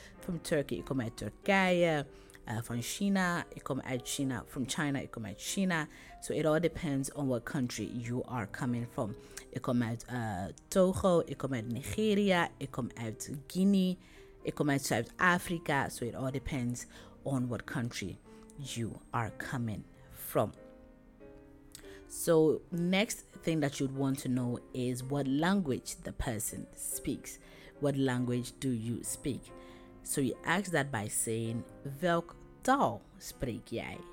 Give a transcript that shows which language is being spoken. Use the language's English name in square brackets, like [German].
[English] From Turkey, [Dutch] ik kom uit Turkije. [English] From China, [Dutch] ik kom uit China. [English] From China, [Dutch] ik kom uit China. [English] So it all depends on what country you are coming from. [Dutch] Ik kom uit Togo, ik kom uit Nigeria, ik kom uit Guinea, ik kom uit Zuid-Afrika. [English] So it all depends on what country you are coming from. So next thing that you'd want to know is what language the person speaks. What language do you speak? So you ask that by saying, [Dutch] welk taal spreek jij?